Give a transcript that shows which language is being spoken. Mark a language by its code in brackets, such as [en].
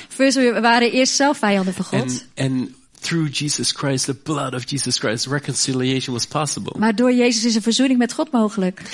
[nl] We waren eerst zelf vijanden van God. [en] And through Jesus Christ, the blood of Jesus Christ, reconciliation was possible. [nl] Maar door Jezus is een verzoening met God mogelijk.